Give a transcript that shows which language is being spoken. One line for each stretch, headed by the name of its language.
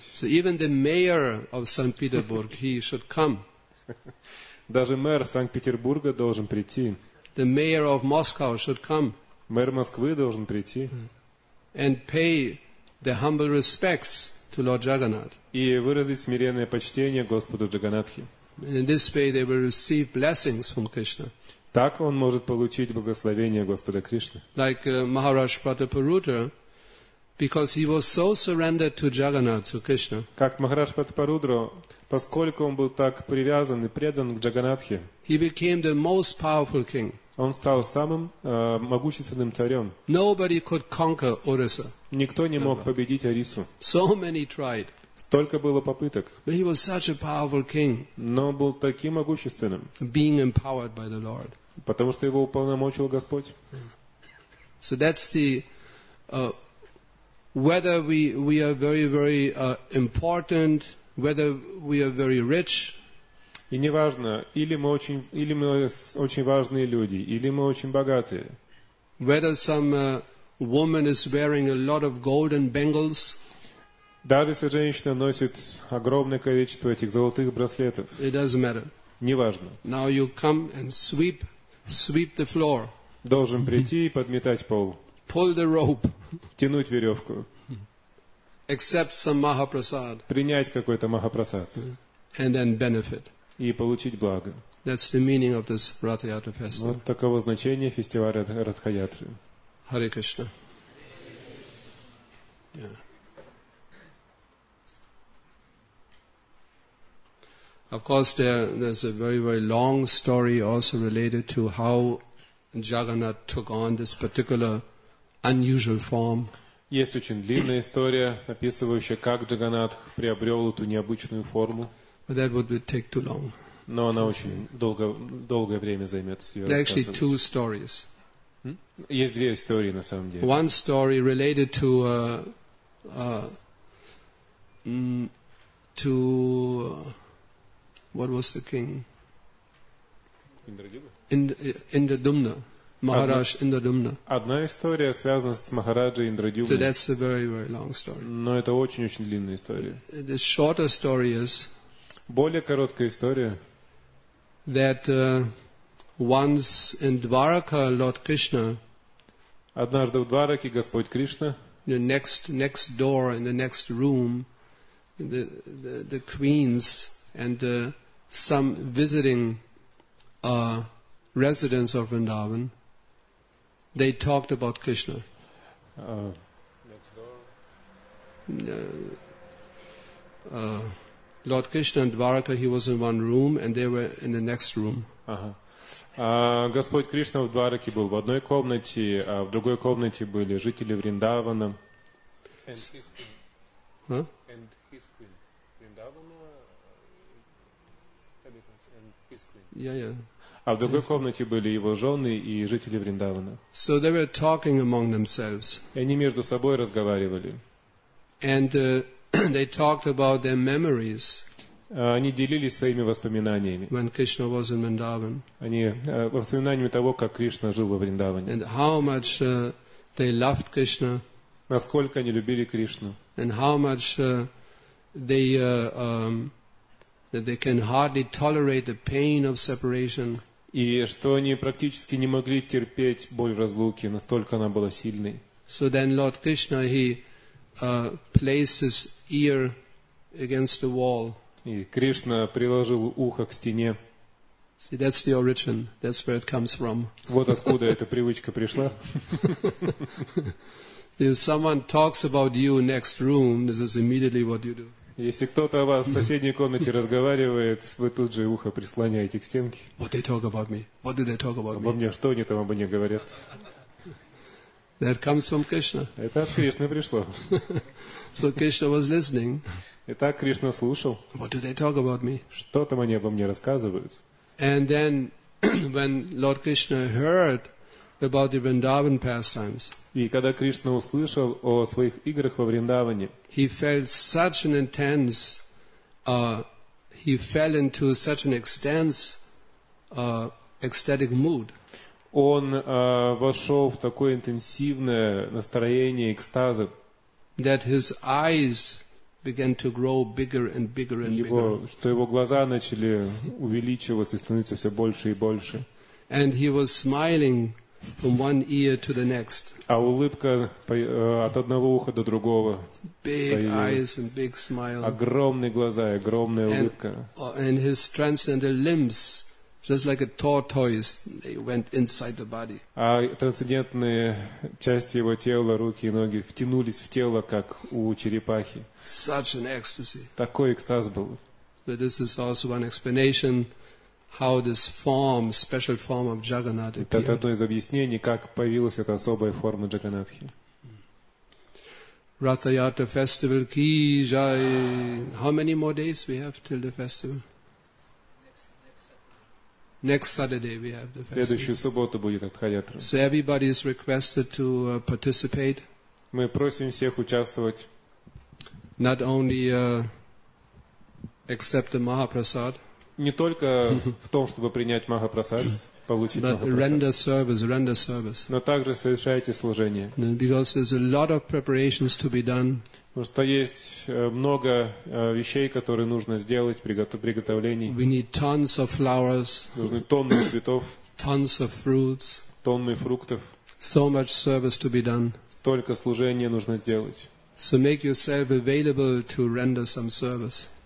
English: So even the mayor of St. Petersburg, he should come.
Russian: Даже мэр Санкт-Петербурга должен прийти.
English: The mayor of Moscow should come.
Russian: Мэр Москвы должен прийти.
English: And pay the humble respects to Lord Jagannath.
Russian: И выразить смиренное почтение Господу Джаганатхи.
English: In this way they will receive blessings from Krishna.
Russian: Так он может получить благословение Господа Кришны.
English: Like Maharaj Prataparudra, because he was so surrendered to Jagannath, to Krishna.
Russian: Как Махарадж Пратапарудра, поскольку он был так привязан и предан к Джаганатхе,
English: he became the most powerful king.
Russian: Он стал самым могущественным царем.
English: Nobody could conquer Orissa.
Russian: Никто не мог победить Орису.
English: So many tried.
Russian: Столько было попыток.
English: But he was such a powerful king.
Russian: Но был таким могущественным.
English: Being empowered by the Lord.
Russian: Потому что его уполномочил Господь.
English: So that's the whether we are very very important, whether we are very rich.
Russian: И неважно, или мы очень важные люди, или мы очень богатые.
English: Whether some woman is wearing a lot of golden bangles.
Russian: Даже если женщина носит огромное количество этих золотых браслетов.
English: It doesn't matter.
Russian: Неважно.
English: Now you come and sweep the floor.
Russian: Должен прийти и подметать пол.
English: Pull the rope.
Russian: Тянуть веревку.
English: Accept some Mahaprasad.
Russian: Принять какой-то Mahaprasad.
English: And then benefit.
Russian: И получить благо.
English: That's the meaning of this Ratha-yatra festival.
Russian: Вот таково значение фестиваля Ратха-ятры.
English: Hare Krishna. Of course, there's a very, very long story also related to how Jagannath took on this particular unusual form.
Russian: Есть очень длинная история, описывающая, как Джаганнатх приобрел эту необычную форму.
English: But that would take too long.
Russian: Но она очень долгое время займет.
English: There are actually two stories.
Russian: Есть две истории на самом деле.
English: One story related to what was the king? Indradyumna. Maharaj Indradyumna.
Russian: Одна история связана с Махараджей Индрадюмной.
English: So that's a very very long story.
Russian: Но это очень длинная история.
English: The shorter story is.
Russian: Более короткая история.
English: That once in Dwaraka, Lord Krishna.
Russian: Однажды в Двараке Господь Кришна.
English: The next door in the next room, the queens and some visiting residents of Vrindavan, they talked about Krishna. Next door. Lord Krishna and Dwaraka, he was in one room, and they were in the next room.
Russian: Господь Кришна в Двараке был в одной комнате, а в другой комнате были жители Вриндавана.
English: And his queen. Huh? And his queen. Vrindavana. And his queen. Yeah, yeah.
Russian: А в другой комнате были его жены и жители Вриндавана.
English: So they were talking among themselves.
Russian: И они между собой разговаривали.
English: And they talked about their memories.
Russian: Они делились своими воспоминаниями.
English: When Krishna was in Vrindavan.
Russian: Они воспоминаниями того, как Кришна жил во Вриндаване.
English: And how much they loved Krishna.
Russian: Насколько они любили Кришну.
English: And how much they can hardly tolerate the pain of separation.
Russian: И что они практически не могли терпеть боль в разлуке, настолько она была сильной.
English: So then Lord Krishna, he placed his ear against the wall.
Russian: И Кришна приложил ухо к стене.
English: See, that's the origin. That's where it comes from.
Russian: Вот откуда эта привычка пришла.
English: If someone talks about you next room, this is immediately what you do.
Russian: Если кто-то о вас в соседней комнате разговаривает, вы тут же ухо прислоняете к стенке.
English: What they talk about me? What do they talk about me?
Russian: Обо мне, что они там обо мне говорят?
English: That comes from Krishna.
Russian: Это от Кришны пришло.
English: So Krishna was listening.
Russian: Итак, Кришна слушал.
English: What do they talk about me?
Russian: Что там они обо мне рассказывают?
English: And then when Lord Krishna heard about the Vrindavan pastimes.
Russian: И когда Кришна услышал о своих играх во Вриндаване.
English: He felt such an intense he fell into such an intense ecstatic mood.
Russian: Он вошел в такое интенсивное настроение экстаза,
English: that his eyes began to grow bigger and bigger and bigger.
Russian: Что его глаза начали увеличиваться и становиться все больше и больше.
English: And he was smiling from one ear to the next.
Russian: А улыбка от одного уха до другого.
English: Big eyes and big smile.
Russian: Огромные глаза и огромная улыбка.
English: And his transcendental limbs, just like a tortoise, they went inside the body.
Russian: А трансцендентные части его тела, руки и ноги, втянулись в тело, как у черепахи.
English: Such an ecstasy.
Russian: Такой экстаз был.
English: But this is also one explanation how this form, special form of Jagannath appeared.
Russian: Это одно из объяснений, как появилась эта особая форма Джаганатхи.
English: Ratha Yatra festival
Hindi: ki jai.
English: How many more days we have till the festival? Next Saturday we have the festival.
Russian: Следующую субботу будет Ратха-ятра.
English: So everybody is requested to participate.
Russian: Мы просим всех участвовать.
English: Not only accept the Mahaprasad.
Russian: Не только в том, чтобы принять Махапрасад, получить Махапрасад.
English: But render service, render service.
Russian: Но также совершайте служение.
English: Because there's a lot of preparations to be done.
Russian: Потому что есть много вещей, которые нужно сделать, приготовлений.
English: We need tons of flowers.
Russian: Нужны тонны цветов.
English: Tons of fruits.
Russian: Тонны фруктов.
English: So much service to be done.
Russian: Столько служения нужно сделать.
English: So make yourself available to render some service.